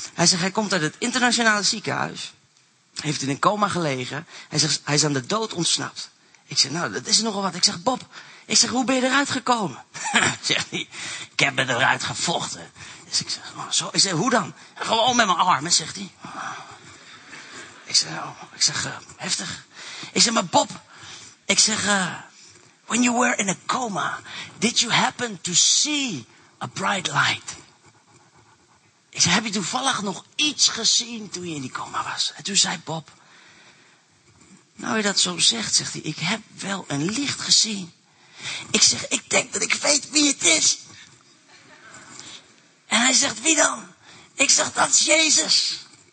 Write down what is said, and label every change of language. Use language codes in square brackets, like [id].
[nl] Hij zegt, hij komt uit het internationale ziekenhuis. Heeft in een coma gelegen. Hij zegt, hij is aan de dood ontsnapt. Ik zeg, nou, dat is nogal wat. Ik zeg, Bob, ik zeg, hoe ben je eruit gekomen? Zegt hij, ik heb me eruit gevochten. Dus ik zeg, oh, zo. Ik zeg, hoe dan? Gewoon met mijn armen, zegt hij. Ik zeg, oh. Ik zeg, heftig. Ik zeg, maar Bob, ik zeg, [en] when you were in a coma, did you happen to see a bright light? [nl] Ik zei, heb je toevallig nog iets gezien toen je in die coma was? En toen zei Bob, Nou, je dat zo zegt, zegt hij, ik heb wel een licht gezien. Ik zeg, ik denk dat ik weet wie het is. En hij zegt, wie dan? Ik zeg, dat is Jezus.